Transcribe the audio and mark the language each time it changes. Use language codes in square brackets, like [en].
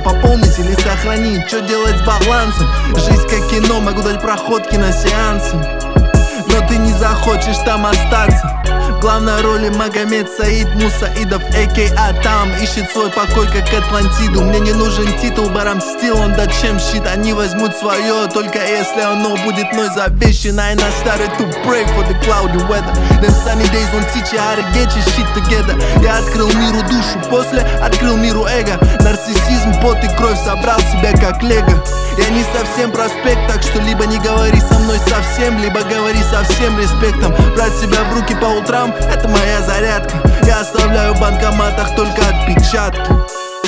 [ru] Пополнить или сохранить, что делать с балансом. Жизнь как кино, могу дать проход киносеансам. Но ты не захочешь там остаться. Главной роли Магомед Саид Мусаидов, а.к.а. там ищет свой покой, как Атлантиду. Мне не нужен титул, барам стил, он да чем щит. Они возьмут свое, только если оно будет мной завещено. [en] And I started to pray for the cloudy weather. Them sunny days won't teach you how to get your shit together. [ru] Я открыл миру душу, после открыл миру эго. Нарциссизм, пот и кровь, собрал себя как лего. Я не совсем проспект, так что либо не говори со мной совсем, либо говори со всем респектом. Брать себя в руки по утрам — это моя зарядка. Я оставляю в банкоматах только отпечатки.